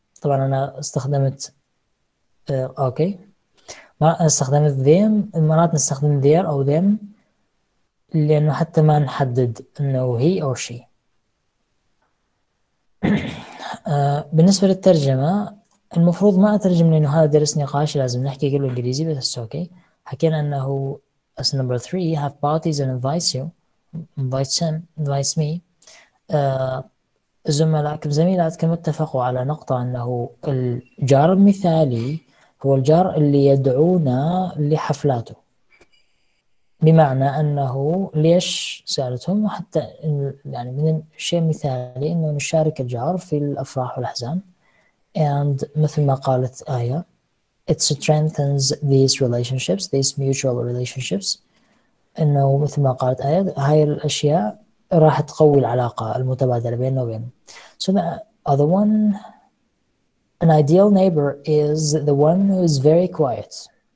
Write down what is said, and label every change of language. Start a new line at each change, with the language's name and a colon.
Arabic: طبعا انا استخدمت okay. مرات استخدمت them, مرات نستخدم their او them. لانه حتى ما نحدد انه
English: he or she.
Arabic: بالنسبة للترجمة, المفروض ما أترجم لأنه هذا درس نقاشي, لازم نحكي كله إنجليزي, بس أوكي okay. حكينا أنه
English: as number three have parties and invites you, invites him, invites me.
Arabic: زملائكم زميلاتكم اتفقوا على نقطة أنه الجار المثالي هو الجار اللي يدعونا لحفلاته, بمعنى أنه ليش سألتهم حتى يعني من الشيء المثالي أنه نشارك الجار في الأفراح والأحزان.
English: And
Arabic: مثل ما قالت آية,
English: it strengthens these relationships, these mutual relationships.
Arabic: إنه مثل ما قالت آية, هاي الأشياء راح تقوي العلاقة المتبادلة بيننا وبين.
English: So the other one, an ideal neighbor is the one who is very quiet.